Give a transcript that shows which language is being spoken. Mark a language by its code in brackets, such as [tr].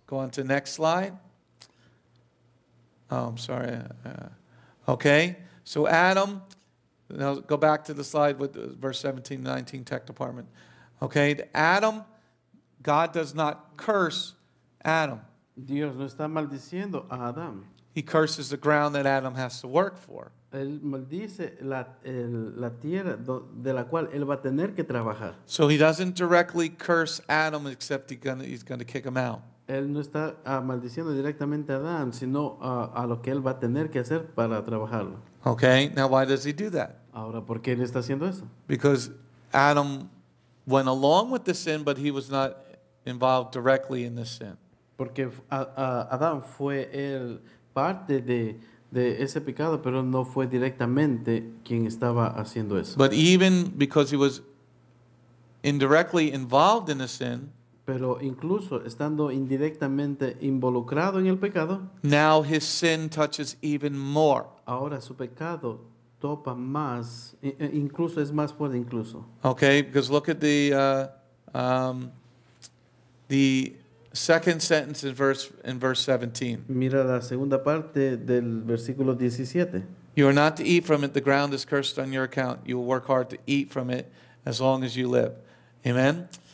[en] Go on to the next slide. Oh, I'm sorry. Okay. So Adam, now go back to the slide with verse 17 and 19, tech department. Okay. Adam, God does not curse Adam. [es] Dios no está maldiciendo a Adam. [en] He curses the ground that Adam has to work for. [es] Él maldice la tierra de la cual él va a tener que trabajar. [en] So he doesn't directly curse Adam except he's going to kick him out. [es] Él no está maldiciendo directamente a Adán, sino a lo que él va a tener que hacer para trabajarlo. [en] Okay, now why does he do that? [es] Ahora, ¿por qué él está haciendo eso? [en] Because Adam went along with the sin, but he was not involved directly in the sin. [es] Porque Adán fue el parte de ese pecado, pero no fue directamente quien estaba haciendo eso. [en] But even because he was indirectly involved in the sin, [es] pero incluso estando indirectamente involucrado en el pecado, [en] now his sin touches even more. [es] Ahora su pecado topa más, incluso es más fuerte incluso. [en] Okay, because look at the second sentence in verse 17. [es] Mira la segunda parte del versículo 17. [en] You are not to eat from it. The ground is cursed on your account. You will work hard to eat from it as long as you live. Amen.